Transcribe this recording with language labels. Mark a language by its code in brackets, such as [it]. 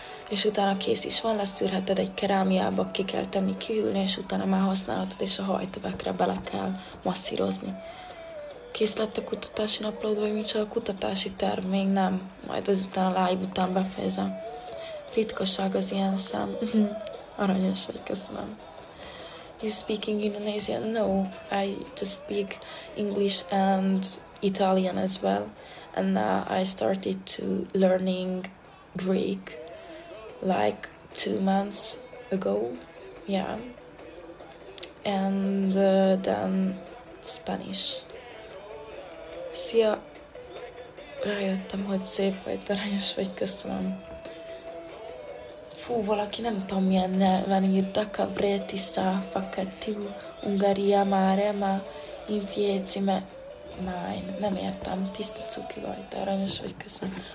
[hu] És utána kész is van, lesz tűrheted egy kerámiába, ki kell tenni, kihűlni, és utána már használhatod, és a hajtövekre bele kell masszírozni. Kész lett a kutatási naplód, vagy micsoda a kutatási terv? Még nem. Majd ezután a live után befejezem. Ritkosság az ilyen szem. Aranyos vagy, köszönöm. [en] You speaking Indonesian? No, I just speak English and Italian as well. And I started to learning Greek like 2 months ago, yeah, and then Spanish. [hu] Szia, rájöttem, hogy szép vagy, aranyos vagy, köszönöm. Fú, valaki nem tudom milyen nyelven írta, kavréti száfakettú, ungaria márema, infiecime, mine, nem értem, tiszta cuki vagy, aranyos vagy, köszönöm.